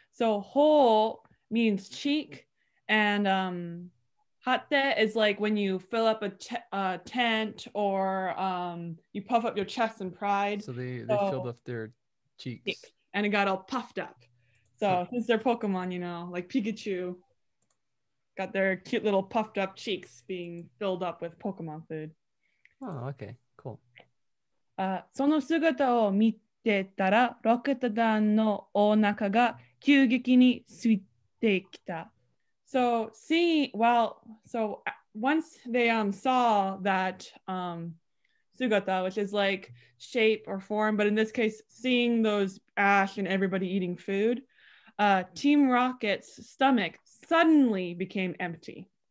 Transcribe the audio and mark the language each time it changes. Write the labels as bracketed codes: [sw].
[en] So ho means cheek, and hatte is like when you fill up a tent or you puff up your chest in pride. So they filled up their cheeks. Cheek, and it got all puffed up. So since they're Pokemon, you know, like Pikachu, got their cute little puffed up cheeks being filled up with Pokemon food. Oh, okay, cool. [ja] その姿を見てたら、ロケット団のお腹が急激に空いてきた。 [en] So once they saw that sugata, which is like shape or form, but in this case, seeing those Ash and everybody eating food, Team Rocket's stomach suddenly became empty.